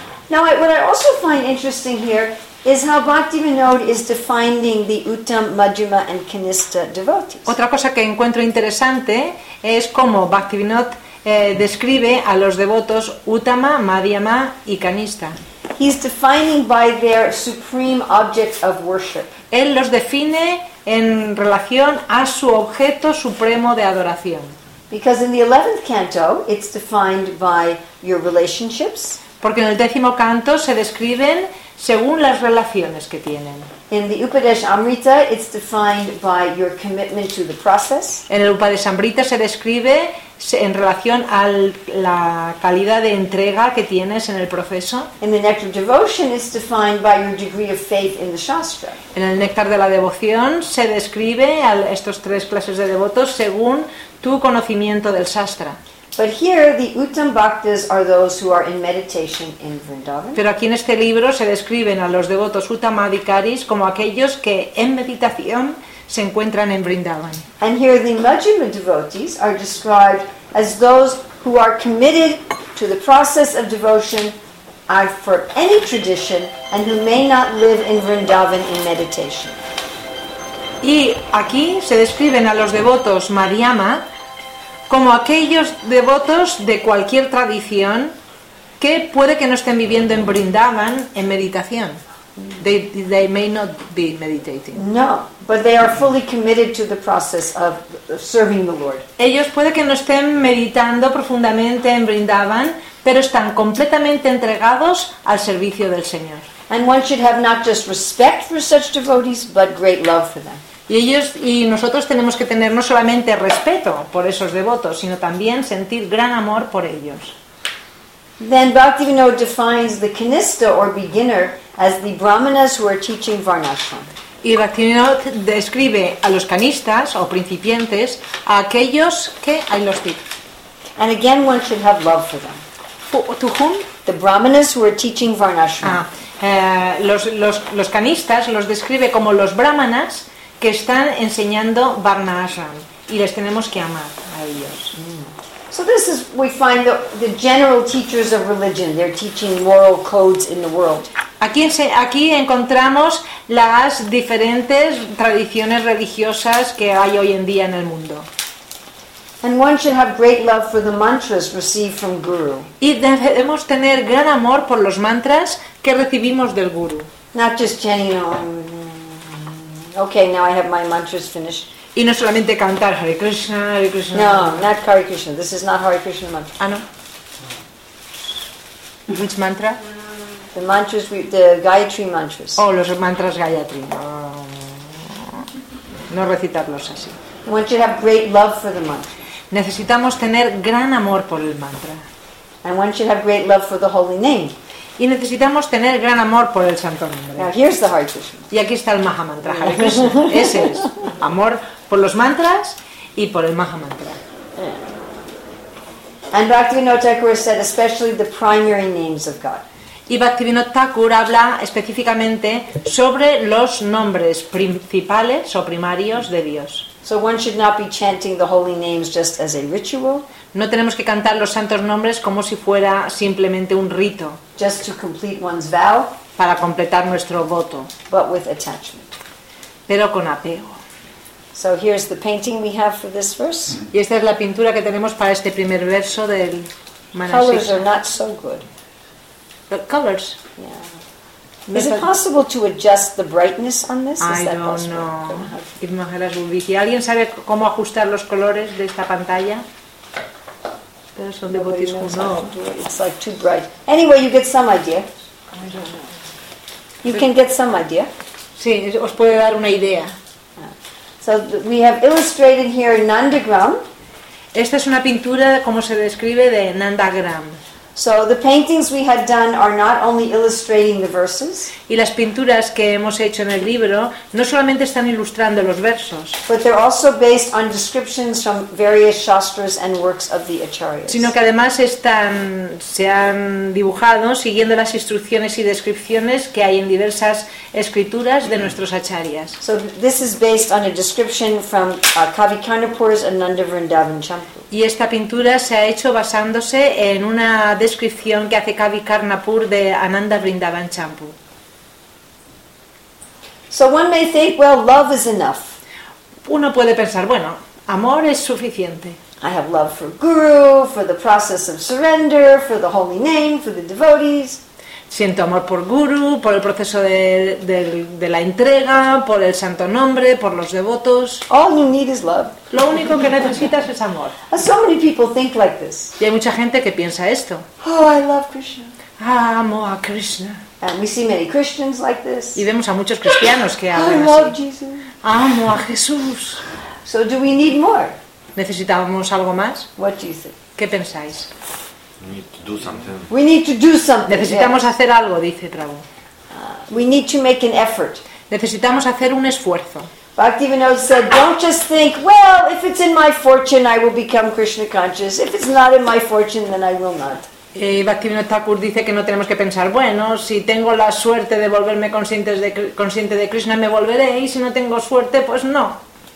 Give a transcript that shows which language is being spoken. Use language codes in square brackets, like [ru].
[en] Now, what I also find interesting here is how Bhaktivinoda is defining the Uttam, Madhyama and Kanista devotees. [es] Otra cosa que encuentro interesante es cómo Bhaktivinoda describe a los devotos Uttama, Madhyama y Kanista. [en] He's defining by their supreme object of worship. [es] Él los define en relación a su objeto supremo de adoración. [en] Because in the 11th canto, it's defined by your relationships. [es] Porque en el décimo canto se describen según las relaciones que tienen. [en] In the Upadesha Amrita, it's defined by your commitment to the process. [es] En el Upadesha Amrita se describe en relación a la calidad de entrega que tienes en el proceso. [en] In the Nectar of Devotion, it's defined by your degree of faith in the Shastra. [es] En el Néctar de la Devoción se describe a estos tres clases de devotos según tu conocimiento del Shastra. [en] But here the Uttam Bhaktas are those who are in meditation in Vrindavan. [es] Pero aquí en este libro se describen a los devotos Uttamadhikaris como aquellos que en meditación se encuentran en Vrindavan. [en] And here the Majjhima devotees are described as those who are committed to the process of devotion for any tradition and who may not live in Vrindavan in meditation. [es] Y aquí se describen a los devotos Madhyama como aquellos devotos de cualquier tradición que puede que no estén viviendo en Vrindavan en meditación. [en] They may not be meditating. No, but they are fully committed to the process of serving the Lord. [es] Ellos puede que no estén meditando profundamente en Vrindavan, pero están completamente entregados al servicio del Señor. [en] And one should have not just respect for such devotees, but great love for them. [es] Y nosotros tenemos que tener no solamente respeto por esos devotos, sino también sentir gran amor por ellos. [en] Then Bhaktivinoda defines the kanista or beginner as the brahmanas who are teaching varnashram. [es] Y Bhaktivinoda describe a los kanistas o principiantes, a aquellos que hay los tipos. [en] And again, one should have love for them. To whom? The brahmanas who are teaching varnashram. [es] Los kanistas los describe como los brahmanas que están enseñando Varna Ashram y les tenemos que amar a ellos. [en] So this is we find the general teachers of religion. They're teaching moral codes in the world. [es] Aquí encontramos las diferentes tradiciones religiosas que hay hoy en día en el mundo. [en] And one should have great love for the mantras received from Guru. [es] Y debemos tener gran amor por los mantras que recibimos del Guru. [en] Not just chanting, you know, okay, now I have my mantras finished. [es] Y no solamente cantar Hare Krishna, Hare Krishna. [en] No, not Hare Krishna. This is not Hare Krishna mantra. [es] Ah, no. [en] Which mantra? The mantras, the Gayatri mantras. [es] Oh, los mantras Gayatri. No recitarlos así. [en] One should have great love for the mantra. [es] Necesitamos tener gran amor por el mantra. [en] And one should have great love for the holy name. [es] Y necesitamos tener gran amor por el santo nombre. [en] Now, here's the Hare Krishna. [es] Y aquí está el Maha Mantra, Hare Krishna. Ese es amor por los mantras y por el Maha Mantra. [en] And Bhaktivinoda Thakur said especially the primary names of God. [es] Y Bhaktivinoda Thakur habla específicamente sobre los nombres principales o primarios de Dios. [en] So one should not be chanting the holy names just as a ritual. [es] No tenemos que cantar los santos nombres como si fuera simplemente un rito. [en] Just to complete one's vow, [es] para completar nuestro voto. [en] But with attachment. [es] Pero con apego. [en] So here's the painting we have for this verse. [es] Y esta es la pintura que tenemos para este primer verso del Manasisa. [en] Colors are not so good. The colors. Yeah. Is it possible to adjust the brightness on this? I don't know. [es] ¿Alguien sabe cómo ajustar los colores de esta pantalla? [en] It's like too bright. Anyway, you get some idea. You can get some idea. [es] Sí, os puede dar una idea. [en] So we have illustrated here Nandagram. [es] Esta es una pintura como se describe de Nandagram. [en] So the paintings we had done are not only illustrating the verses. [es] Y las pinturas que hemos hecho en el libro no solamente están ilustrando los versos. [en] But they're also based on descriptions from various shastras and works of the acharyas. [es] Sino que además se han dibujado siguiendo las instrucciones y descripciones que hay en diversas escrituras de nuestros acharyas. [en] So this is based on a description from Kavi Kanapur's Ananda Vrindavan Champu. [es] Y esta pintura se ha hecho basándose en una descripción que hace Kavi Karnapur de Ananda Vrindavan Champu. [en] So one may think, well, love is enough. [es] Uno puede pensar, bueno, amor es suficiente. [en] I have love for Guru, for the process of surrender, for the holy name, for the devotees. [es] Siento amor por Guru, por el proceso de la entrega, por el santo nombre, por los devotos. [en] All you need is love. [es] Lo único que necesitas es amor. [en] So many people think like this. [es] Y hay mucha gente que piensa esto. [en] Oh, I love Krishna. [es] Ah, amo a Krishna. [en] And we see many Christians like this. [es] Y vemos a muchos cristianos que hablan así. [en] I love Jesus. [es] Amo a Jesús. [en] So do we need more? [es] ¿Necesitamos algo más? [en] What do you think? [es] ¿Qué pensáis? [en] We need to do something. [es] Necesitamos hacer algo, dice Prabhu. [en] We need to make an effort. [es] Necesitamos hacer un esfuerzo. [en] Bhaktivinoda said, "Don't just think. Well, if it's in my fortune, I will become Krishna conscious. If it's not in my fortune, then I will not." [es] Bhaktivinoda Thakur dice que no tenemos que pensar. Bueno, si tengo la suerte de volverme consciente de Krishna, me volveré. Y si no tengo suerte, pues no.